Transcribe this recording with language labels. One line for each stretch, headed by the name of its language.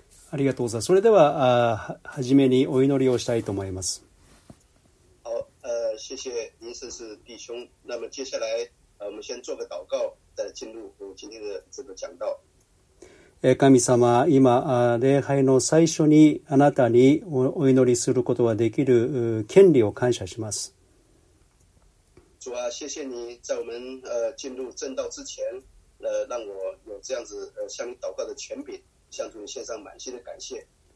Japanese: ありがとうございます。それでは初めにお祈りをしたいと思います。
Chinese: 好、谢谢林圣士弟兄。那么接下来我们先做个祷告再进入今天的这个讲道。
Japanese: 神様、今礼拝の最初にあなたに お祈りすることができる権利を感謝します。
Chinese: 主啊、谢谢你在我们进入正道之前让我有这样子向你祷告的权柄，向主献上满心的感谢。